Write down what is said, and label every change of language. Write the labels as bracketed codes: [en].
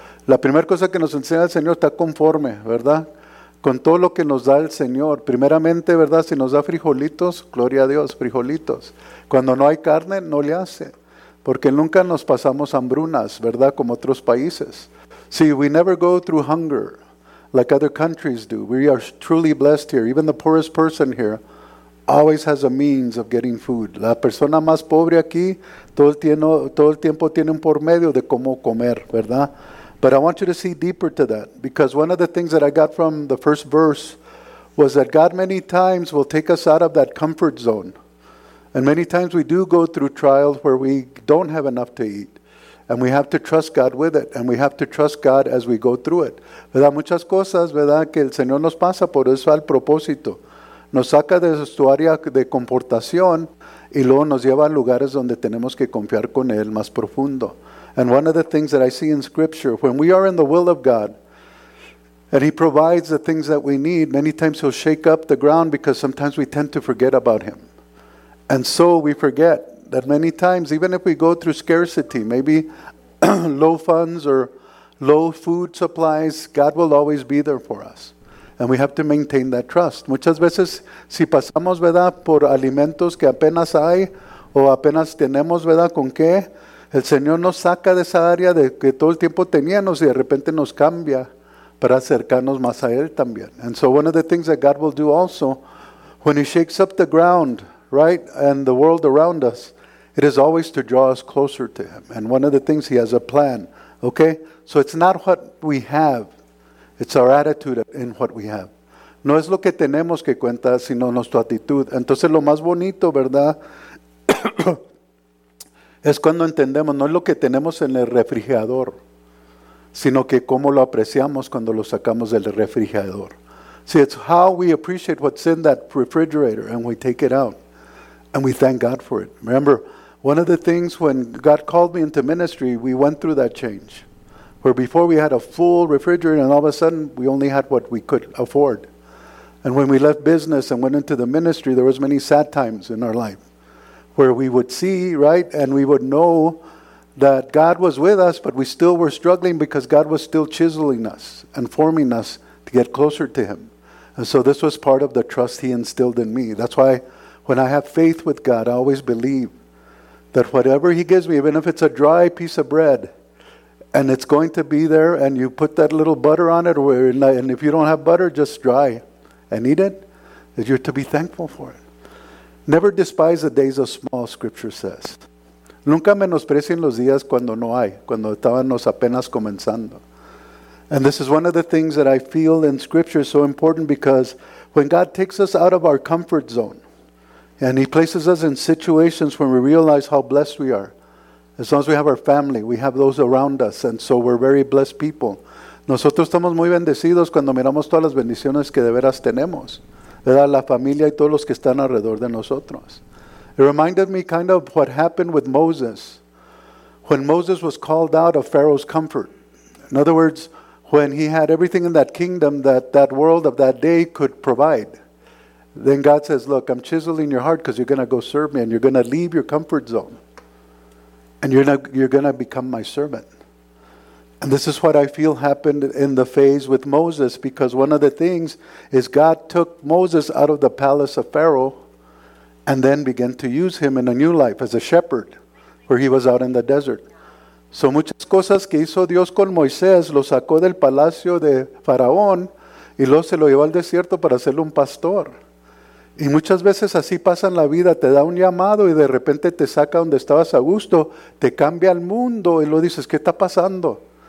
[es] La primera cosa que nos enseña el Señor está conforme, ¿verdad? Con todo lo que nos da el Señor. Primeramente, ¿verdad? Si nos da frijolitos, gloria a Dios, frijolitos. Cuando no hay carne, no le hace. Porque nunca nos pasamos hambrunas, ¿verdad? Como otros países. [en] See, we never go through hunger like other countries do. We are truly blessed here. Even the poorest person here always has a means of getting food. [es] La persona más pobre aquí todo el tiempo tiene un por medio de cómo comer, ¿verdad? [en] But I want you to see deeper to that, because one of the things that I got from the first verse was that God many times will take us out of that comfort zone. And many times we do go through trials where we don't have enough to eat. And we have to trust God with it. And we have to trust God as we go through it. [es] ¿Verdad? Muchas cosas, ¿verdad? Que el Señor nos pasa por eso al propósito. Nos saca de su área de comportación y luego nos lleva a lugares donde tenemos que confiar con Él más profundo. [en] And one of the things that I see in Scripture, when we are in the will of God, and He provides the things that we need, many times He'll shake up the ground because sometimes we tend to forget about Him. And so we forget that many times, even if we go through scarcity, maybe low funds or low food supplies, God will always be there for us. And we have to maintain that trust. [es] Muchas veces, si pasamos, ¿verdad?, por alimentos que apenas hay o apenas tenemos, ¿verdad?, con qué, el Señor nos saca de esa área de que todo el tiempo teníamos y de repente nos cambia para acercarnos más a Él también. [en] And so one of the things that God will do also, when He shakes up the ground, right, and the world around us, it is always to draw us closer to Him. And one of the things, He has a plan, okay? So it's not what we have, it's our attitude in what we have. [es] No es lo que tenemos que cuenta, sino nuestra actitud. Entonces lo más bonito, ¿verdad?, es cuando entendemos, no es lo que tenemos en el refrigerador, sino que cómo lo apreciamos cuando lo sacamos del refrigerador. [en] See, it's how we appreciate what's in that refrigerator and we take it out and we thank God for it. Remember, one of the things when God called me into ministry, we went through that change. Where before we had a full refrigerator and all of a sudden we only had what we could afford. And when we left business and went into the ministry, there was many sad times in our life. Where we would see, right, and we would know that God was with us, but we still were struggling because God was still chiseling us and forming us to get closer to Him. And so this was part of the trust He instilled in me. That's why when I have faith with God, I always believe that whatever He gives me, even if it's a dry piece of bread, And it's going to be there, and you put that little butter on it, and if you don't have butter, just dry and eat it. You're to be thankful for it. Never despise the days of small, Scripture says. [es] Nunca menosprecien los días cuando no hay, cuando estábamos apenas comenzando. [en] And this is one of the things that I feel in Scripture is so important, because when God takes us out of our comfort zone and He places us in situations when we realize how blessed we are, as long as we have our family, we have those around us, and so we're very blessed people. [es] Nosotros estamos muy bendecidos cuando miramos todas las bendiciones que de veras tenemos, ¿verdad? La familia y todos los que están alrededor de nosotros. [en] It reminded me kind of what happened with Moses when Moses was called out of Pharaoh's comfort. In other words, when he had everything in that kingdom that that world of that day could provide, then God says, look, I'm chiseling your heart because you're going to go serve me and you're going to leave your comfort zone. And you're going to become my servant. And this is what I feel happened in the phase with Moses, because one of the things is God took Moses out of the palace of Pharaoh and then began to use him in a new life as a shepherd where he was out in the desert. [es] So muchas cosas que hizo Dios con Moisés, lo sacó del palacio de Faraón y luego se lo llevó al desierto para hacerlo un pastor. Y muchas veces así pasa en la vida, te da un llamado y de repente te saca donde estabas a gusto, te cambia el mundo y luego dices, ¿qué está pasando?